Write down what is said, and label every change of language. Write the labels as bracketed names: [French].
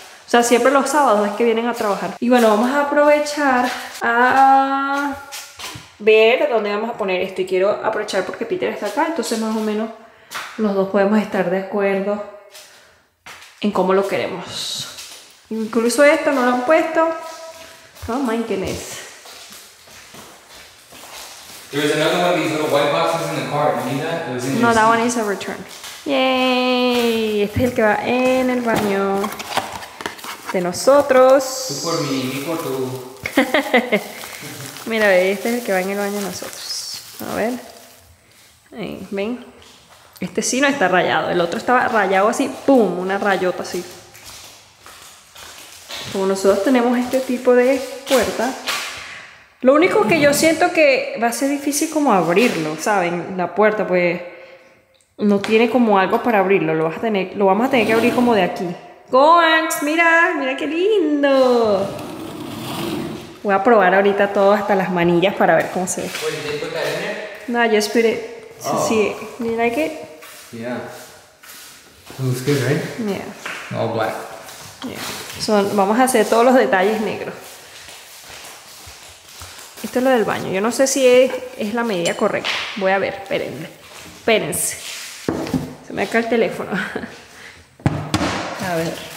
[Spanish] O sea, siempre los sábados es que vienen a trabajar. Y bueno, vamos a aprovechar a ver dónde vamos a poner esto. Y quiero aprovechar porque Peter está acá. Entonces más o menos los dos podemos estar de acuerdo en cómo lo queremos. Incluso esto no lo han puesto. [English] Oh my goodness. There's another one of these little white boxes in the car. You need that? No, that one is a return. Yay! [Spanish] Este es el que va en el baño de nosotros. Tú por mí, mi por tú. Mira, este es el que va en el baño de nosotros. A ver. Ahí, ven. Este sí no está rayado, el otro estaba rayado así, pum, una rayota así. Como nosotros tenemos este tipo de puerta, lo único que yo siento que va a ser difícil como abrirlo, ¿saben? La puerta, pues no tiene como algo para abrirlo, lo vamos a tener que abrir como de aquí. ¡Gonks! ¡Mira! ¡Mira qué lindo! Voy a probar ahorita todo, hasta las manillas, para ver cómo se ve. No, yo esperé. Sí, sí. [English] ¿Do you like it? Yeah. It looks good, right? Yeah. All black. Yeah. [Spanish] Vamos a hacer todos los detalles negros. Esto es lo del baño. Yo no sé si es la medida correcta. Voy a ver. Espérenme. Espérense. Se me acaba el teléfono. A ver.